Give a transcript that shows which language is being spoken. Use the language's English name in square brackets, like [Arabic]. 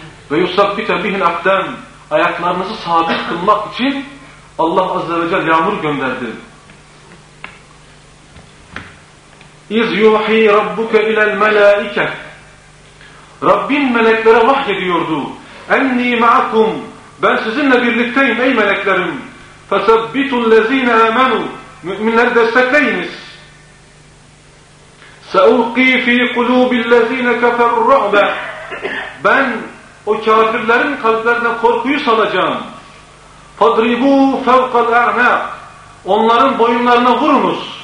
[Turkish] Ve [Arabic] yusabbite bihil akdem, [Turkish] ayaklarınızı sabit kılmak için Allah Azze ve Celle yağmur gönderdi. [Arabic] İz yuhi rabbuke ilel melaike, [Turkish] Rabbin meleklere vahyediyordu. [Arabic] Enni ma'akum, [Turkish] ben sizinle birlikteyim ey meleklerim. [Arabic] فَسَبِّتُ الَّذ۪ينَ اَمَنُوا [Turkish] Müminleri destekleyiniz. [Arabic] سَأُلْقِي ف۪ي قُلُوبِ الَّذ۪ينَ كَفَرُ الرَّعْبَ [Turkish] Ben o kafirlerin kalplerine korkuyu salacağım. [Arabic] فَضْرِبُوا فَوْقَ الْاَعْنَاقِ [Turkish] Onların boyunlarına vurunuz.